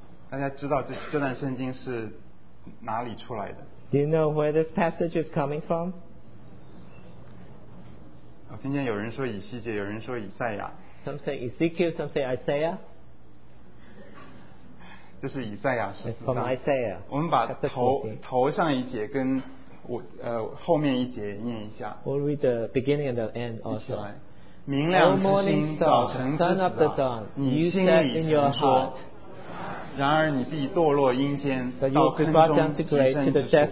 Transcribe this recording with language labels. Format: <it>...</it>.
<zh>大家知道 这段圣经是哪里出来的？</zh> <en>Do you know where this passage is coming from?</en> <zh>我听见有人说以西结，有人说以赛亚。</zh> <en>Some say Ezekiel, some say Isaiah.</en> <zh>这是以赛亚十四章。</zh> <en>From Isaiah,</en> <zh>我们把 头上一节跟后面一节念一下。</zh> <en>We'll read the beginning and the end also.</en> <zh>明亮之星，早晨之子啊，你心里曾说，然而你必堕落阴间，到坑中极深之处。</zh>